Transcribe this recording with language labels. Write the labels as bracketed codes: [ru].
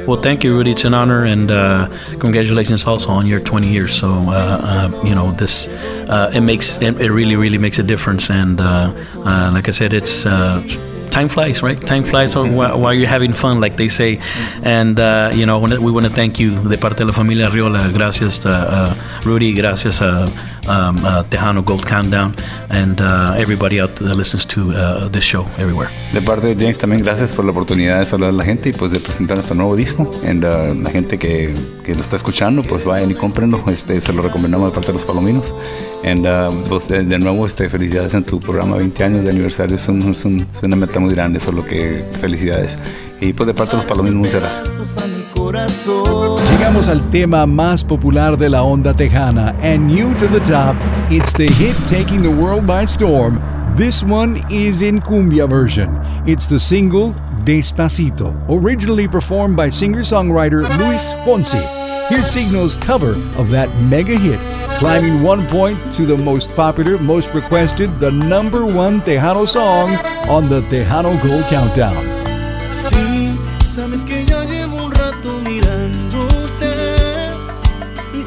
[en] Well, thank you, Rudy. It's an honor, and congratulations also on your 20 years. So, you know, this, it really, really makes a difference, and like I said, it's... time flies, right? Time flies while you're having fun, like they say. And, you know, we want to thank you. [es] De parte de la familia Riola, gracias, Rudy. Gracias, Tejano Gold Countdown. [en] And everybody out there that listens to this show everywhere. [es] De parte de James, también gracias por la oportunidad de saludar a la gente y pues de presentar nuestro nuevo disco. And la gente que lo está escuchando, pues vayan y cómprenlo. Se lo recomendamos de parte de los Palominos. And pues de nuevo, felicidades en tu programa. 20 años de aniversario. Es una meta muy grande, solo que felicidades. Y pues de parte de los Palominos, muchas gracias. Llegamos al tema más popular de la onda tejana. [en] And new to the top, it's the hit taking the world by storm. This one is in cumbia version. It's the single Despacito, originally performed by singer-songwriter Luis Fonsi. Here's Signo's cover of that mega hit, climbing one point to the most popular, most requested, the number one Tejano song on the Tejano Gold Countdown. [es] Sí, sabes que ya llevo un rato mirándote.